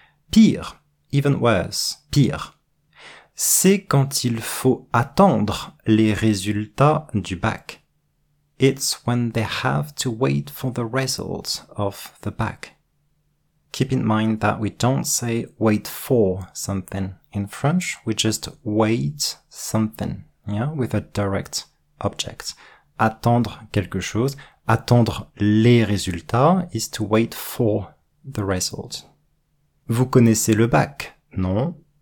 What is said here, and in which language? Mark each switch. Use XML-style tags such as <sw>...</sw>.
<fr>Pire,</fr> <en>even worse,</en> <fr>pire, c'est quand il faut attendre les résultats du bac.</fr> <en>It's when they have to wait for the results of the bac. Keep in mind that we don't say wait for something in French, we just wait something, yeah, with a direct object.</en> <fr>Attendre quelque chose, attendre les résultats</fr> <en>is to wait for the results.</en> <fr>Vous connaissez le bac, non?</fr>